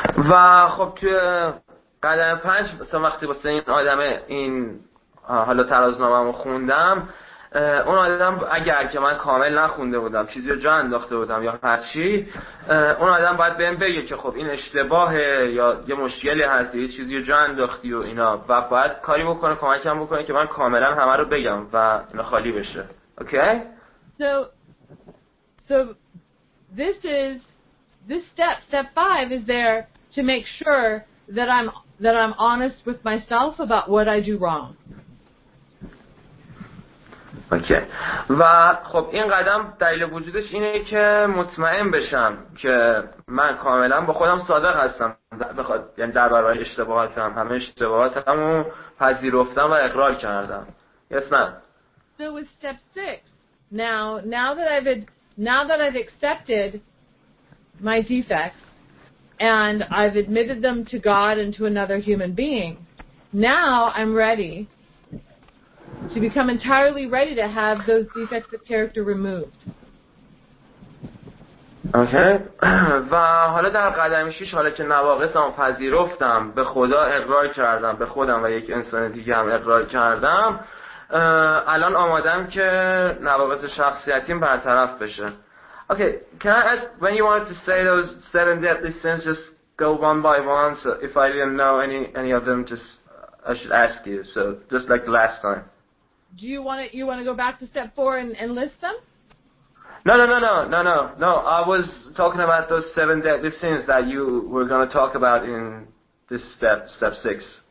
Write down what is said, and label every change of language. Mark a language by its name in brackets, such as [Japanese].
[Persian] و خب توی قدم 5 مثلا وقتی واسه این آدمه این حالا ترازنامه‌مو خوندم، اون آدم اگر که من کامل نخونده بودم چیزی رو جا انداخته بودم یا هر چی، اون آدم باید بهم بگه که خب این اشتباهه یا یه مشکلی هست، یه چیزی رو جا انداختی و اینا، و باید کاری بکنه، کمکم بکنه که من کاملا همه رو بگم و اینا خالی بشه. [English] Okay? So this step, step 5 is there to make sure that I'm honest with myself about what I do wrong. Okay. [Persian] و خب این قدم دلیل وجودش اینه که مطمئن بشم که من کاملا با خودم صادق هستم. بخواد یعنی در برابر اشتباهاتم، همه اشتباهاتمو پذیرفتم و اقرار کردم. [English] Yes, ma'am. So with step 6. Now that I've accepted my defects and I've admitted them to God and to another human being, now I'm ready. To become entirely ready to have those defects of character removed. Okay. [Persian] و حالا در قدم 6 حالا که نواقصم پذیرفتم، به خدا اقرار کردم، به خودم و یک انسان دیگه هم اقرار کردم، الان آمادم که نواقص شخصیتیم برطرف بشه. [English] Okay, can I ask, when you wanted to say those 7 deadly sins, just go one by one, so if I didn't know any of them, I should ask you, so just like the last time. Do you want to go back to step 4 and list them? No. I was talking about those 7 deadly sins that you were going to talk about in this step, step 6.